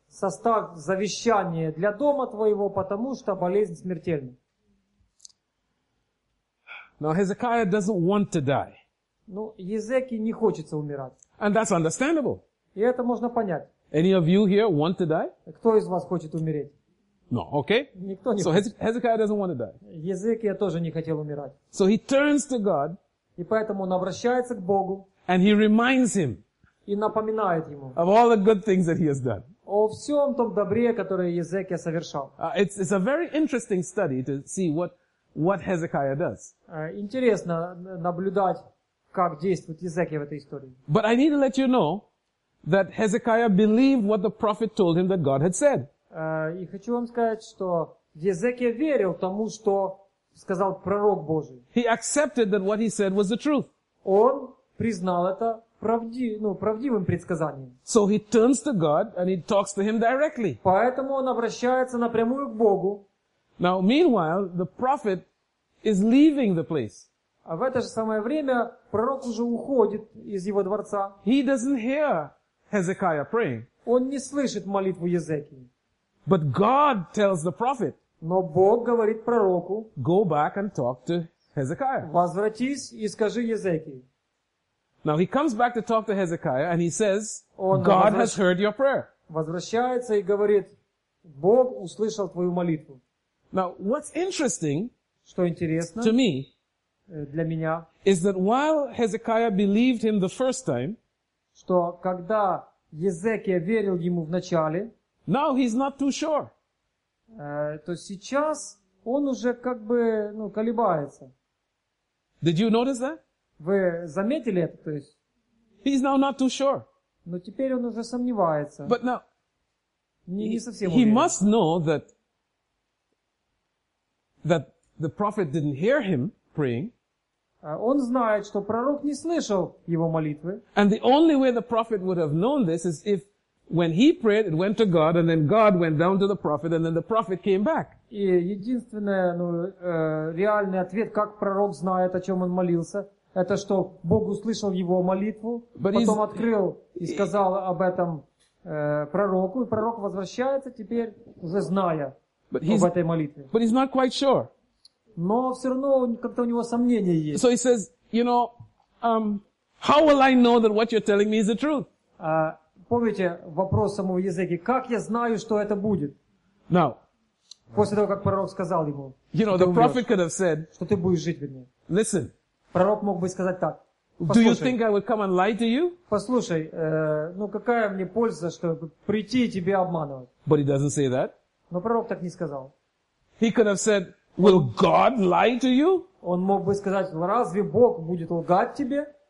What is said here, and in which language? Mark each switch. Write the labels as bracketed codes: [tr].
[ru] Составь завещание для дома твоего, потому что болезнь смертельна. [en] Now Hezekiah doesn't want to die. [ru] Ну, Езекии не хочется умирать. [en] And that's understandable. [ru] И это можно понять. [en] Any of you here want to die? [ru] Кто из вас хочет умереть? [en] No, okay. [ru] Никто не [en] so Hezekiah doesn't want to die. [ru] Езекия тоже не хотел умирать. [en] So he turns to God. [ru] И поэтому он обращается к Богу. [en] And he reminds him. [ru] и напоминает ему. [en] Of all the good things that he has done. [ru] О всем том добре, которое Езекия совершал. [en] It's a very interesting study to see what Hezekiah does. [ru] Интересно наблюдать, как действует Езекия в этой истории. [en] But I need to let you know that Hezekiah believed what the prophet told him that God had said. [ru] И хочу вам сказать, что Езекия верил тому, что сказал пророк Божий. [en] He accepted that what he said was the truth. [ru] Он признал это правдивым предсказанием. [en] So he turns to God and he talks to him directly. [ru] Поэтому он обращается напрямую к Богу. [en] Now, meanwhile, the prophet is leaving the place. [ru] А в это же самое время пророк уже уходит из его дворца. [en] He doesn't hear Hezekiah praying. [ru] Он не слышит молитву Езекии. [en] But God tells the prophet. [ru] Но Бог говорит пророку. [en] Go back and talk to Hezekiah. [ru] Возвратись и скажи Езекии. [en] Now he comes back to talk to Hezekiah and he says, God has heard your prayer. [ru] Возвращается и говорит, Бог услышал твою молитву. [en] Now what's interesting, [ru] что интересно, [en] to me, [ru] для меня, [en] is that while Hezekiah believed him the first time, [ru] что когда Езекия верил ему вначале, [en] now he's not too sure. [ru] То сейчас он уже колебается. [en] Did you notice that? [ru] Вы заметили это, то есть? [en] He's now not too sure. [ru] Но теперь он уже сомневается. [en] But now, [ru] не совсем уверен. [en] He must know that the prophet didn't hear him praying. [ru] Он знает, что пророк не слышал его молитвы. [en] And the only way the prophet would have known this is if when he prayed, it went to God, and then God went down to the prophet, and then the prophet came back. [ru] И единственный реальный ответ, как пророк знает, о чем он молился, это что Бог услышал его молитву, [en] but [ru] потом открыл и сказал об этом пророку, и пророк возвращается теперь, уже зная об этой молитве. [en] But he's not quite sure. [ru] Но все равно как-то у него сомнения есть. [en] So he says, you know, how will I know that what you're telling me is the truth? [ru] Помните вопрос самого языки, как я знаю, что это будет? [en] Now, [ru] после того, как пророк сказал ему, [en] you know, the prophet could have said, [ru] что ты будешь жить вернее. [en] Listen. [ru] Пророк мог бы сказать так. [en] Do you think I would come and lie to you? [ru] Послушай, какая мне польза, чтобы прийти и тебя обманывать? [en] But he doesn't say that. [ru] Но пророк так не сказал. [en] He could have said, will God lie to you? [ru] Он мог бы сказать, разве Бог будет лгать тебе?